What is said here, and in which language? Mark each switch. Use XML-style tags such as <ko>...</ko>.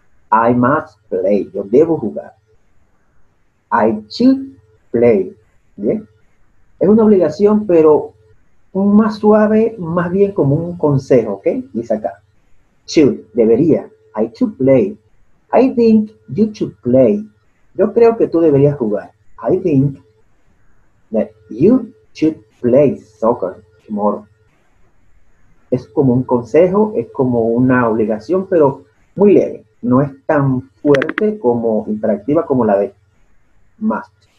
<en>I must play.</en> <es>Yo debo jugar.</es> <en>I should play. ¿Bien?</en> <es>Es una obligación, pero más suave, más bien como un consejo, ¿ok? Dice acá. Should, debería.</es> <en>I should play. I think you should play.</en> <es>Yo creo que tú deberías jugar.</es> <en>I think that you should play soccer tomorrow.</en> <es>es como un consejo, es como una obligación, pero muy leve. No es tan fuerte como imperativa como la de must.</es>